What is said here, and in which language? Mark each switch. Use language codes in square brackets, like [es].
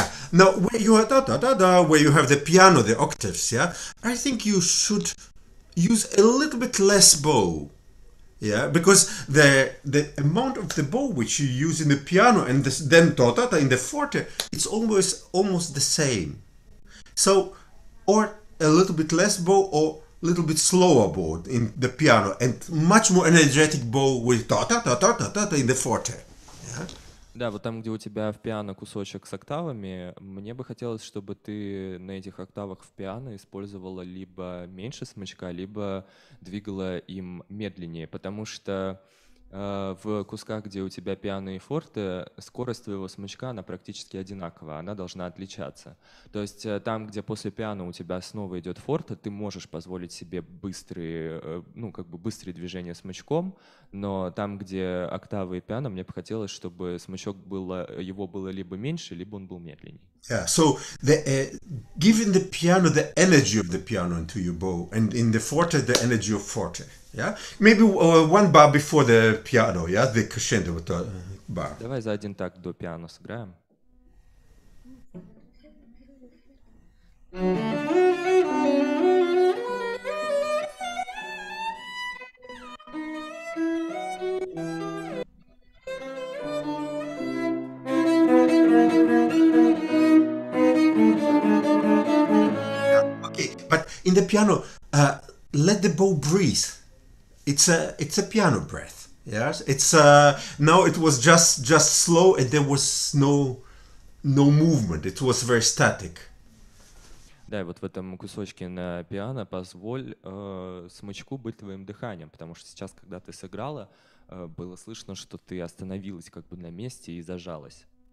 [en] Now, where you are da-da-da-da, where you have the piano, the octaves, yeah, I think you should use a little bit less bow, yeah, because the amount of the bow which you use in the piano and then da-da-da in the forte, it's almost the same. So, or a little bit less bow or a little bit slower bow in the piano and much more energetic bow with da-da-da-da-da-da in the forte, yeah. [ru] Да, вот там, где у тебя в пиано кусочек с октавами, мне бы хотелось, чтобы ты на этих октавах в пиано использовала либо меньше смычка, либо двигала им медленнее, потому что В кусках, где у тебя пиано и форте, скорость твоего смычка, она практически одинакова, она должна отличаться. То есть там, где после пиано у тебя снова идет форте, ты можешь позволить себе быстрые, ну, как бы быстрые движения смычком, но там, где октавы и пиано, мне бы хотелось, чтобы смычок было, его было либо меньше, либо он был медленнее. [en] Yeah, so the giving the piano the energy of the piano into your bow, and in the forte the energy of forte. Yeah, maybe one bar before the piano. Yeah, the crescendo bar. [ru] Давай за один такт до пиано сыграем. [en] But in the piano, let the bow breathe. It's a piano breath. Yes. It's now it was just slow, and there was no movement. It was very static. [ru] Да, и вот в этом кусочке на пиано позволь смычку быть твоим дыханием, потому что сейчас, когда ты сыграла, было слышно, что ты остановилась как бы на месте и зажалась.